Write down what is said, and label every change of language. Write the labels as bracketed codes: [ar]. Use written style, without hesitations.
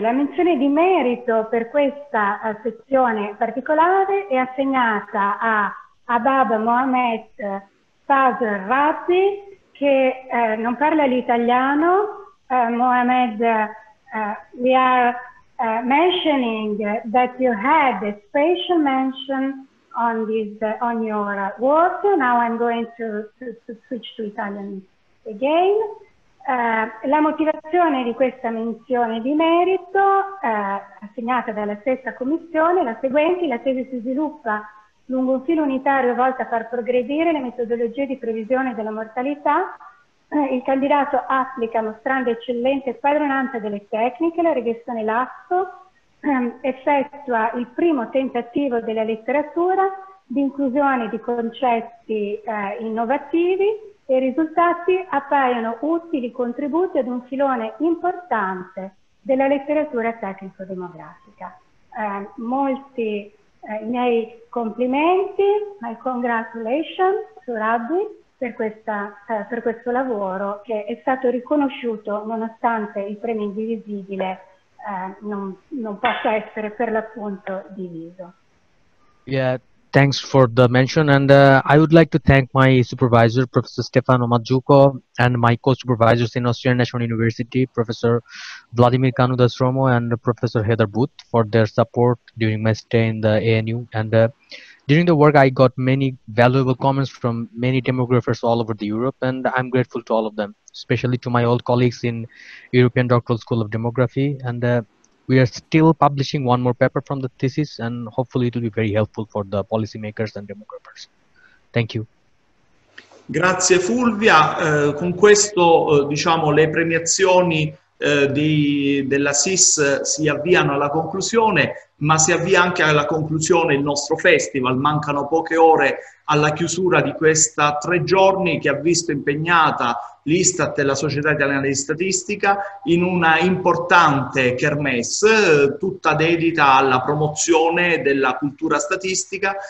[it] La menzione di merito per questa sezione particolare è assegnata a Abab Mohamed Fazer Razi, che non parla l'italiano. [en] Mohamed, we are mentioning that you had a special mention on this on your work. Now I'm going to switch to Italian again. [it] La motivazione di questa menzione di merito assegnata dalla stessa commissione è la seguente: la tesi si sviluppa lungo un filo unitario volto a far progredire le metodologie di previsione della mortalità. Il candidato applica, mostrando eccellente padronanza delle tecniche, la regressione lasso, effettua il primo tentativo della letteratura di inclusione di concetti innovativi e i risultati appaiono utili contributi ad un filone importante della letteratura tecnico-demografica. Molti i miei complimenti, [en] my congratulations [it] to Rabbi per questo lavoro che è stato riconosciuto nonostante il premio indivisibile non possa essere per l'appunto diviso. [en] Yeah. Thanks for the mention, and I would like to thank my supervisor, Professor Stefano Mazzucco, and my co-supervisors in Austrian National University, Professor Vladimir Kanudas-Romo and Professor Heather Booth, for their support during my stay in the ANU. And during the work, I got many valuable comments from many demographers all over the Europe, and I'm grateful to all of them, especially to my old colleagues in European Doctoral School of Demography. And we are still publishing one more paper from the thesis, and hopefully it will be very helpful for the policymakers and demographers. Thank you. [it] Grazie Fulvia. Con questo, diciamo, le premiazioni della SIS si avviano alla conclusione, ma si avvia anche alla conclusione il nostro festival. Mancano poche ore alla chiusura di questa tre giorni che ha visto impegnata l'Istat e la Società Italiana di Statistica in una importante kermesse, tutta dedita alla promozione della cultura statistica